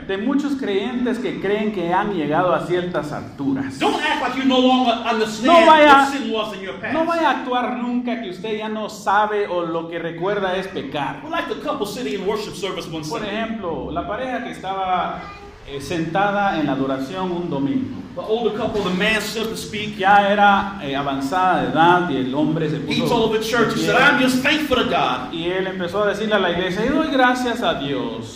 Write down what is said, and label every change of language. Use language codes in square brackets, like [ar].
[es] de muchos creyentes que creen que han llegado a ciertas alturas. [en] Don't act like you no longer understand what sin was in your past. [es] No vaya a actuar nunca que usted ya no sabe o lo que recuerda es pecar. [en] Like the couple sitting in worship service one [es] Sunday. Por ejemplo, la pareja que estaba sentada en la adoración un domingo. [en] The older couple, the man stood to speak. [es] Ya era avanzada de edad y el hombre se puso. [en] He told the church, he said, I'm just thankful to God. [es] Y él empezó a decirle a la iglesia, y doy gracias a Dios.